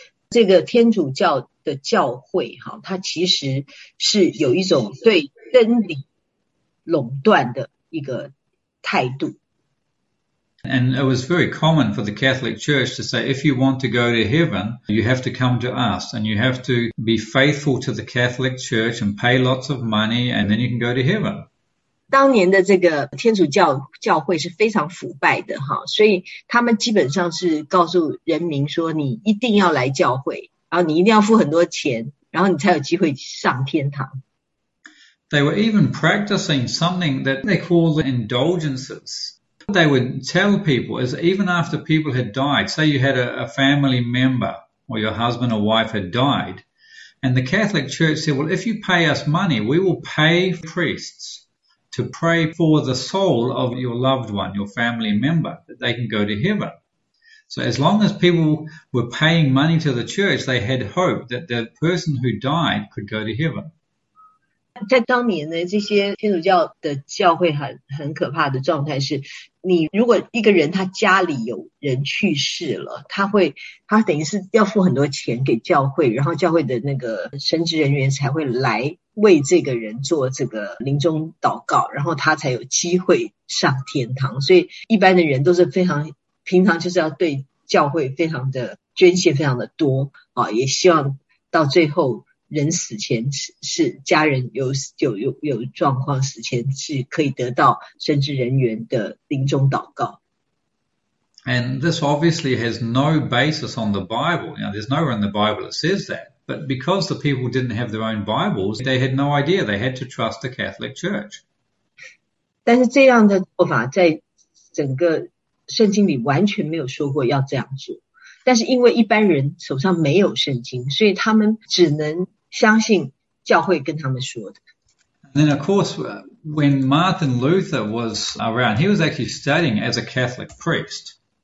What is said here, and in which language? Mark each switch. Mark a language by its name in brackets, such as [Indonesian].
[Chinese] 这个天主教的教会，它其实是有一种对真理垄断的一个态度。 [English] And it was very common for the Catholic Church to say, if you want to go to heaven, you have to come to us, and you have to be faithful to the Catholic Church and pay lots of money, and then you can go to heaven. [Chinese] 当年的这个天主教教会是非常腐败的，所以他们基本上是告诉人民说，你一定要来教会，然后你一定要付很多钱，然后你才有机会上天堂。 [English] They were even practicing something that they call the indulgences. What they would tell people is even after people had died, say you had a family member or your husband or wife had died, and the Catholic Church said, well, if you pay us money, we will pay priests to pray for the soul of your loved one, your family member, that they can go to heaven. So as long as people were paying money to the church, they had hope that the person who died could go to heaven. [Chinese] 在当年呢，这些天主教的教会很可怕的状态是，你如果一个人他家里有人去世了，他等于是要付很多钱给教会，然后教会的那个神职人员才会来为这个人做这个临终祷告，然后他才有机会上天堂。所以一般的人都是非常平常，就是要对教会非常的捐献，非常的多啊，也希望到最后。人死前是家人有状况，死前是可以得到神职人员的临终祷告。 [English] And this obviously has no basis on the Bible. Now, there's nowhere in the Bible that says that. But because the people didn't have their own Bibles, they had no idea. They had to trust the Catholic Church. [Chinese] 但是这样的做法在整个圣经里完全没有说过要这样做。但是因为一般人手上没有圣经，所以他们只能相信教会跟他们说的。 [English] And then of course, when Martin Luther was around, he was actually studying as a Catholic priest.